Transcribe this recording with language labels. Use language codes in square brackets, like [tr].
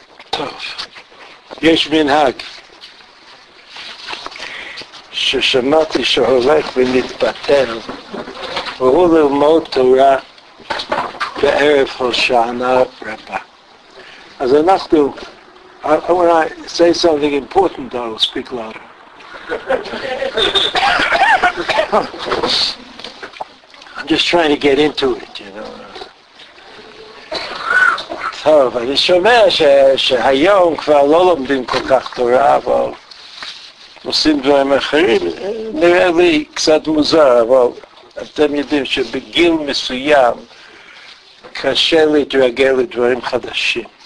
[he] טוב, יש מנהג ששמעתי שהולך ומתבטל, והוא ללמוד תורה בערב הושענא רבה. אז אנחנו, [en] I want to say something important, I will speak louder. I'm just trying to get into it, you know. [he] טוב, אני שומע שהיום כבר לא לומדים כל כך תורה, אבל עושים דברים אחרים, נראה לי קצת מוזר, אבל אתם יודעים שבגיל מסוים קשה להתרגל לדברים חדשים.